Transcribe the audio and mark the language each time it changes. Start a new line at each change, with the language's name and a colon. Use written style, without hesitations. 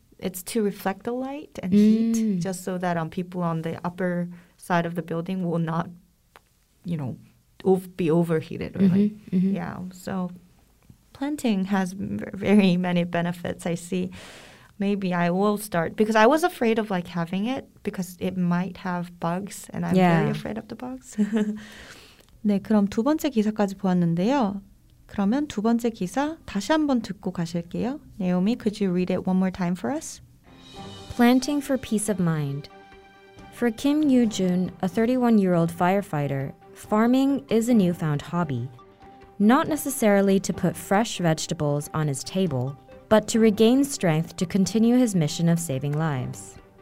English: It's to reflect the light and heat, just so that people on the upper side of the building will not, you know, be overheated. Or yeah, so planting has very many benefits, I see. Maybe I will start, because I was afraid of like having it because it might have bugs, and I'm very afraid of the bugs.
Korean: 네, 그럼 두 번째 기사까지 보았는데요. 그러면 두 번째 기사 다시 한번 듣고 가실게요.
English: Naomi, could you read it one more time for us? Planting for peace of mind. For Kim Yoo-jun, a 31-year-old firefighter, farming is a newfound hobby. Not necessarily to put fresh vegetables on his table, but to regain strength to continue his mission of saving lives.